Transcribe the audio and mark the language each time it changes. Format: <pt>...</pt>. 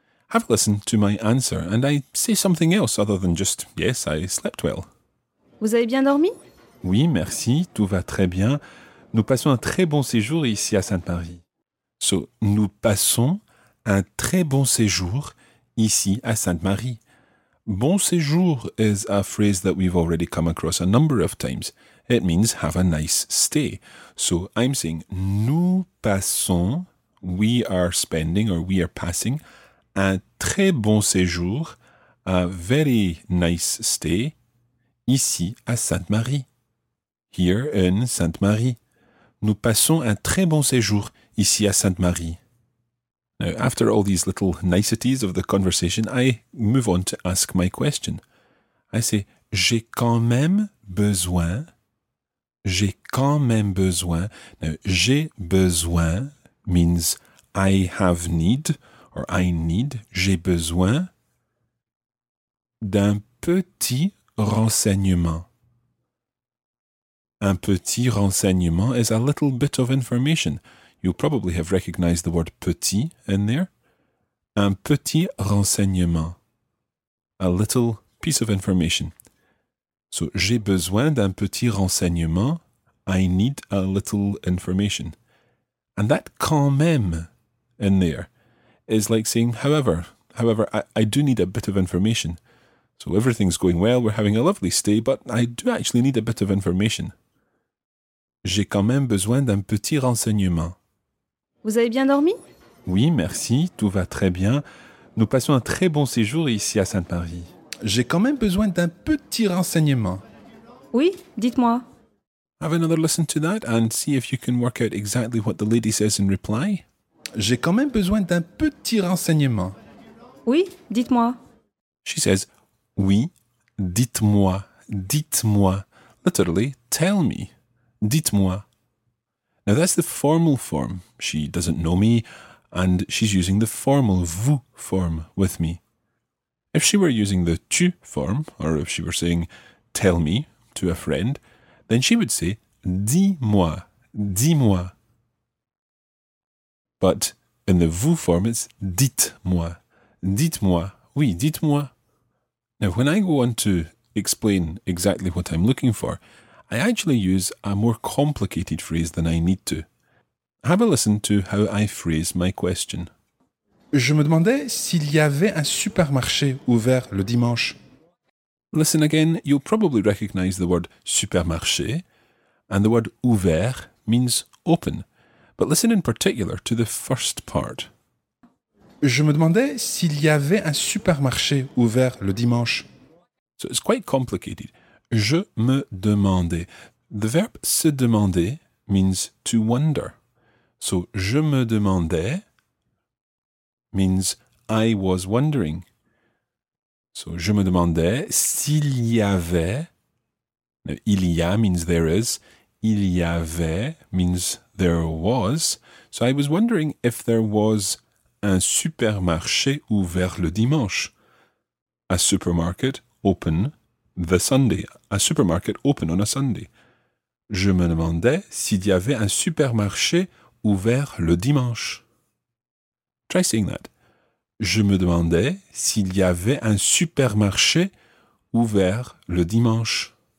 <en>Have a listen to my answer and I say something else other than just yes, I slept well.</en> <fr>Vous avez bien dormi? Oui, merci, tout va très bien. Nous passons un très bon séjour ici à Sainte-Marie. So, nous passons un très bon séjour ici à Sainte-Marie.</fr> <en>Bon séjour is a phrase that we've already come across a number of times. It means have a nice stay. So I'm saying,</en> <fr>nous passons,</fr> <en>we are spending or we are passing,</en> <fr>un très bon séjour,</fr> <en>a very nice stay,</en> <fr>ici à Sainte-Marie.</fr> <en>Here in Sainte-Marie.</en> <fr>Nous passons un très bon séjour ici à Sainte-Marie.</fr> <en>Now, after all these little niceties of the conversation, I move on to ask my question. I say,</en> <fr>j'ai quand même besoin. J'ai quand même besoin.</fr> <en>Now,</en> <fr>j'ai besoin</fr> <en>means I have need or I need.</en> <fr>J'ai besoin d'un petit renseignement. Un petit renseignement</fr> <en>is a little bit of information. You probably have recognized the word petit in there.</en> <fr>Un petit renseignement.</fr> <en>A little piece of information.</en> <fr>So, j'ai besoin d'un petit renseignement.</fr> <en>I need a little information. And that</en> <fr>quand même</fr> <en>in there is like saying, however, however, I do need a bit of information. So everything's going well, we're having a lovely stay, but I do actually need a bit of information.</en> <fr>J'ai quand même besoin d'un petit renseignement. Vous avez bien dormi? Oui, merci, tout va très bien. Nous passons un très bon séjour ici à Sainte-Marie. J'ai quand même besoin d'un petit renseignement. Oui, dites-moi.</fr> <en>Have another listen to that and see if you can work out exactly what the lady says in reply.</en> <fr>J'ai quand même besoin d'un petit renseignement. Oui, dites-moi.</fr> <en>She says,</en> <fr>oui, dites-moi, dites-moi.</fr> <en>Literally, tell me,</en> <fr>dites-moi.</fr> <en>Now that's the formal form. She doesn't know me and she's using the formal vous form with me. If she were using the tu form, or if she were saying tell me to a friend, then she would say,</en> <fr>dis-moi, dis-moi.</fr> <en>But in the vous form, it's</en> <fr>dites-moi, dites-moi, oui, dites-moi.</fr> <en>Now, when I go on to explain exactly what I'm looking for, I actually use a more complicated phrase than I need to. Have a listen to how I phrase my question.</en> <fr>Je me demandais s'il y avait un supermarché ouvert le dimanche.</fr> <en>Listen again, you'll probably recognize the word supermarché, and the word ouvert means open. But listen in particular to the first part.</en> <fr>Je me demandais s'il y avait un supermarché ouvert le dimanche.</fr> <en>So it's quite complicated.</en> <fr>Je me demandais.</fr> <en>The verb se demander means to wonder. So</en> <fr>je me demandais</fr> <en>means I was wondering.</en> <fr>So, je me demandais s'il y avait.</fr> <en>Now,</en> <fr>il y a</fr> <en>means there is.</en> <fr>Il y avait</fr> <en>means there was. So, I was wondering if there was</en> <fr>un supermarché ouvert le dimanche.</fr> <en>A supermarket open the Sunday. A supermarket open on a Sunday.</en> <fr>Je me demandais s'il y avait un supermarché ouvert le dimanche.</fr> <en>Try saying that.</en> <fr>Je me demandais s'il y avait un supermarché ouvert le dimanche.</fr>